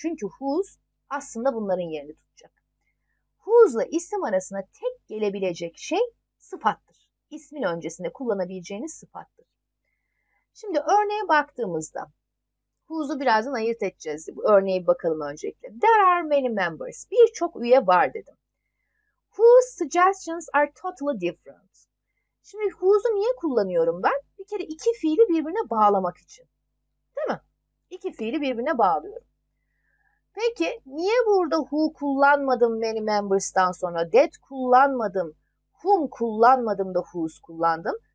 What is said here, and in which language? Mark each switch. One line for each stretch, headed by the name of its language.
Turkish: Çünkü who's aslında bunların yerini tutacak. Who's'la isim arasına tek gelebilecek şey sıfattır. İsmin öncesinde kullanabileceğiniz sıfattır. Şimdi örneğe baktığımızda, who's'u birazdan ayırt edeceğiz. Bu örneğe bir bakalım öncelikle.
English: There are many members.
Turkish: Birçok üye var dedim.
English: Who's suggestions are totally different.
Turkish: Şimdi who's'u niye kullanıyorum ben? Bir kere iki fiili birbirine bağlamak için. Değil mi? İki fiili birbirine bağlıyorum. Peki niye burada who kullanmadım many members'tan sonra that kullanmadım, whom kullanmadım da whose kullandım?